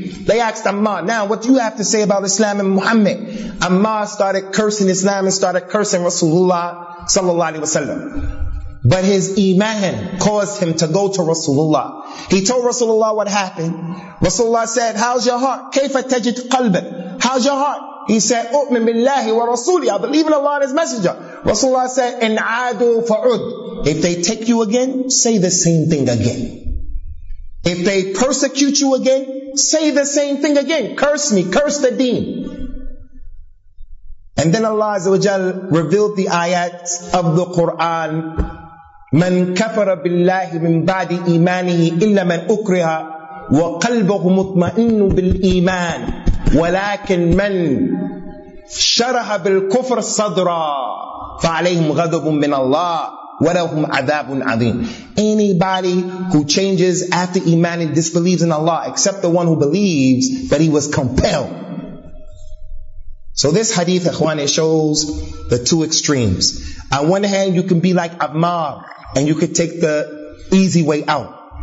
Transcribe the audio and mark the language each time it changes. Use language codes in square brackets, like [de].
[en] They asked Ammar, now what do you have to say about Islam and Muhammad? Ammar started cursing Islam and started cursing Rasulullah sallallahu alaihi wasallam. But his iman caused him to go to Rasulullah. He told Rasulullah what happened. Rasulullah said, how's your heart? [ar] Kayfa tajid qalbak? [en] How's your heart? He said, [ar] أؤمن بالله ورسولي, [en] I believe in Allah and His Messenger. Rasulullah said, [ar] إن عادوا فعد. [en] If they take you again, say the same thing again. If they persecute you again, say the same thing again. Curse me, curse the deen. And then Allah Azza wa Jal revealed the ayats of the Quran. [ar] من كفر بالله من بعد إيمانه إلا من أكره وقلبه مطمئن بالإيمان ولكن من شرح بالكفر صدرا فعليهم غضب من الله. وَلَهُمْ عَذَابٌ عَظِيمٌ. [en] Anybody who changes after iman and disbelieves in Allah, except the one who believes that he was compelled. So this hadith, ikhwan, it shows the two extremes. On one hand, you can be like Ammar and you could take the easy way out.